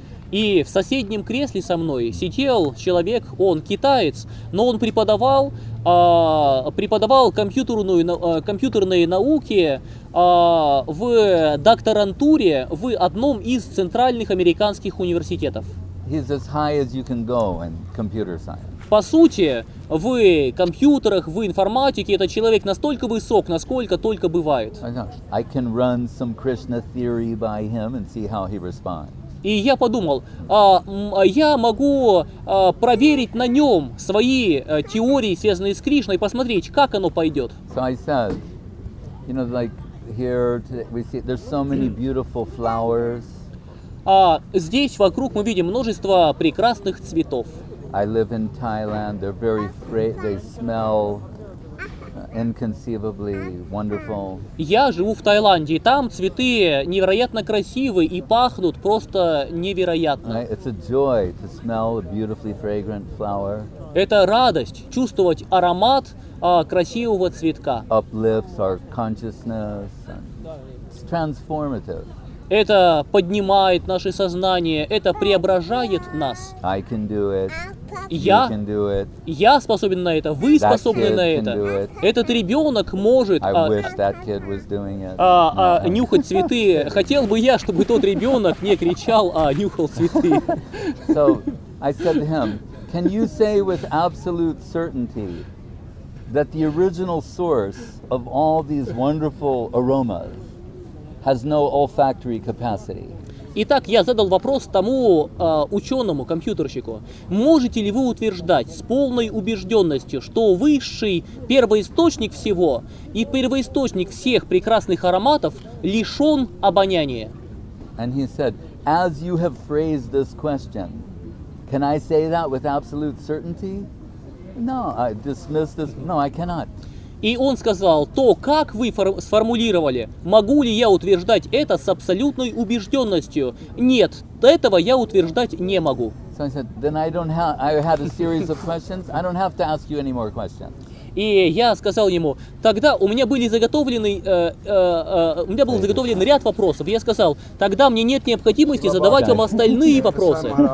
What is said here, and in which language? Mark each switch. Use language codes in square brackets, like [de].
[ru] И в соседнем кресле со мной сидел человек, он китаец, но он преподавал компьютерные науки в докторантуре в одном из центральных американских университетов. [en] He's as high as you can go in computer science. [ru] По сути, в компьютерах, в информатике этот человек настолько высок, насколько только бывает. [en] I can run some Krishna theory by him and see how he responds. [ru] И я подумал, я могу проверить на нем свои теории, связанные с Кришной, посмотреть, как оно пойдет. [en] So I said, you know, like here today we see there's so many beautiful flowers. [ru] Здесь вокруг мы видим множество прекрасных цветов. [en] I live in Thailand. They're very they smell inconceivably wonderful. [ru] Я живу в Таиланде. Там цветы невероятно красивы и пахнут просто невероятно. [en] It's a joy to smell a beautifully fragrant flower. [ru] Это радость чувствовать аромат красивого цветка. [en] Uplifts our consciousness. It's transformative. [ru] Это поднимает наше сознание, это преображает нас. [en] I can do it. [ru] Я способен на это, вы способны на это. Этот ребенок может нюхать цветы. Хотел бы я, чтобы тот ребенок не кричал, а нюхал цветы. [en] So I said to him, can you say with absolute certainty that the original source of all these wonderful aromas has no olfactory capacity? [ru] Итак, я задал вопрос тому ученому, компьютерщику. Можете ли вы утверждать с полной убежденностью, что высший первоисточник всего и первоисточник всех прекрасных ароматов лишен обоняния? [en] And he said, as you have phrased this question, can I say that with absolute certainty? No, I dismiss this. No, I cannot. [ru] И он сказал, то, как вы сформулировали, могу ли я утверждать это с абсолютной убежденностью? Нет, этого я утверждать не могу. [en] So I said, then I don't have, I had a series of questions, I don't have to ask you any more questions. [ru] И я сказал ему, тогда у меня были заготовлены, у меня был заготовлен ряд вопросов. Я сказал, тогда мне нет необходимости задавать вам остальные вопросы.